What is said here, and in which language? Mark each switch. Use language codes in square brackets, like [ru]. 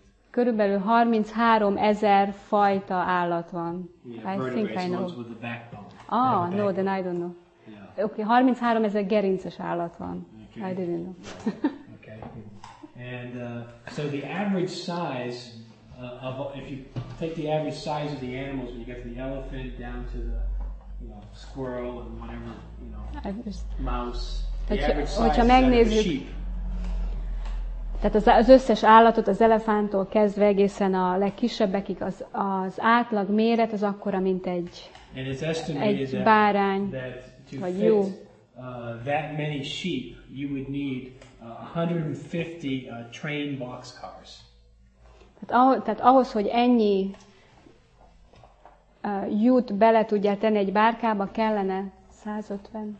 [hu] Körülbelül 33 ezer fajta állat van. [en] Yeah, I think I know. With the Ah, no, then I don't know. Yeah. [hu] Okay, 33 ezer gerinces állat van. [en] Okay. I didn't know. Okay. And so the average size of if you take the average size of the animals when you get from the elephant down to the squirrel and whatever, mouse. [hu] Hogyha megnézzük, tehát az összes állatot, az elefántól kezdve egészen a legkisebbekig, az átlag méret az akkora, mint egy bárány, vagy jó. [en] That many sheep, you would need 150 train boxcars. [hu] Tehát ahhoz, hogy ennyi jut bele tudjál tenni egy bárkába, kellene 150.